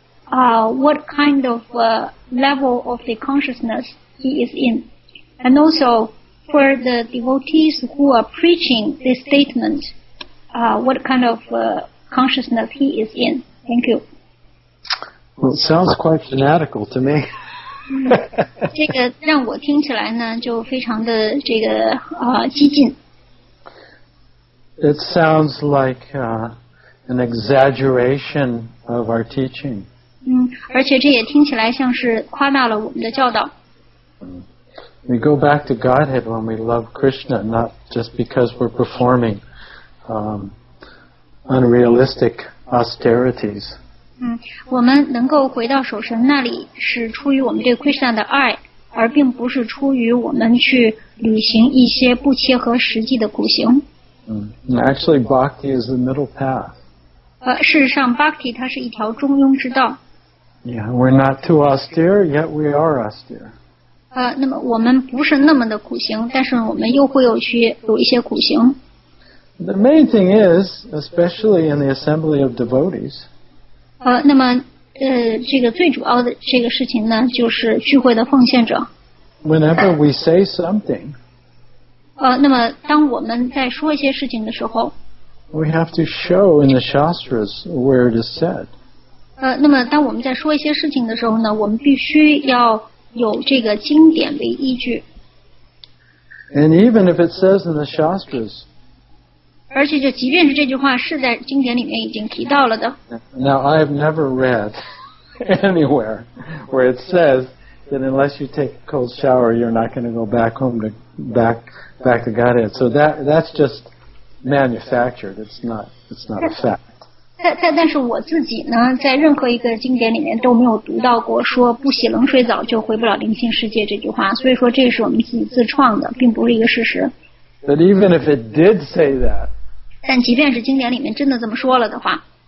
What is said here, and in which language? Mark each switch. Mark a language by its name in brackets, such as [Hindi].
[English] What kind of level of the consciousness he is in. And also, for the devotees who are preaching this statement, what kind of consciousness he is in. Thank you. Well, it sounds quite fanatical to me. [Chinese] 这个让我听起来呢就非常的这个激进。 [English] It sounds like an exaggeration of our teaching. [Chinese] 而且这也听起来像是夸大了我们的教导。 [English] We go back to Godhead when we love Krishna, not just because we're performing unrealistic austerities. [Chinese] 我们能够回到守神那里是出于我们对 Krishna 的爱，而并不是出于我们去履行一些不切合实际的苦行。 [English] Actually, Bhakti is the middle path. [Chinese] 事实上 Bhakti 它是一条中庸之道。 [English] Yeah, we're not too austere, yet we are austere. [Chinese] 那么我们不是那么的苦行，但是我们又会有一些苦行。 [English] The main thing is, especially in the assembly of devotees. [Chinese] 那么这个最主要的这个事情呢，就是聚会的奉献者。 [English] Whenever we say something. [Chinese] 那么当我们在说一些事情的时候。 [English] We have to show in the shastras where it is said. [Chinese] 那么当我们在说一些事情的时候呢，我们必须要有这个经典为依据。 [English] And even if it says in the shastras, [Chinese] 而且就即便是这句话是在经典里面已经提到了的。 [English] Now I have never read anywhere where it says that unless you take a cold shower, you're not going to go back home to back to Godhead. So that's just manufactured. It's not a fact. [Chinese] 但是我自己呢，在任何一个经典里面都没有读到过说不洗冷水澡就回不了灵性世界这句话，所以说这是我们自己自创的，并不是一个事实。 [English] But even if it did say that, [Chinese] 但即便是经典里面真的这么说了的话